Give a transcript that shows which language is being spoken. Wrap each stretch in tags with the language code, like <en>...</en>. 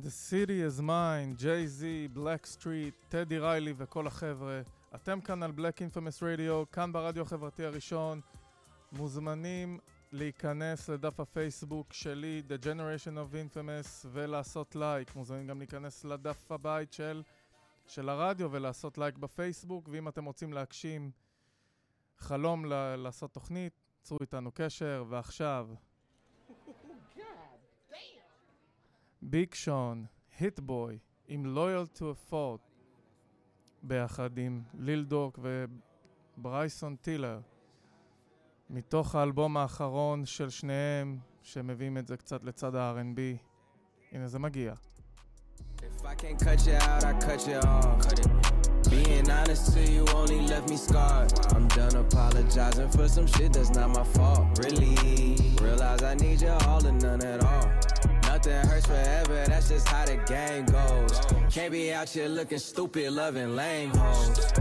<he>City is mine, Jay-Z, Black Street, טדי ריילי וכל החבר'ה. אתם כאן על Black Infamous Radio, כאן ברדיו החברתי הראשון. מוזמנים להיכנס לדף הפייסבוק שלי, The Generation of Infamous, ולעשות לייק. מוזמנים גם להיכנס לדף הבית של הרדיו ולעשות לייק בפייסבוק. ואם אתם רוצים להגשים חלום לעשות תוכנית, צרו איתנו קשר, ועכשיו... ביג שון, היט בוי, עם לויאל טו א פולט, ביחד עם ליל דוק וברייסון טילר, מתוך האלבום האחרון של שניהם, שמביאים את זה קצת לצד ה-R&B. הנה זה מגיע.</he> <en>If I can't cut you out, I cut you off. Cut it. Being honest to you only left me scarred. I'm done apologizing for some shit that's not my fault. Really, realize I need you all or none at all. Nothing hurts forever, that's just how the game goes. Can't be out here looking stupid, loving lame hoes.</en>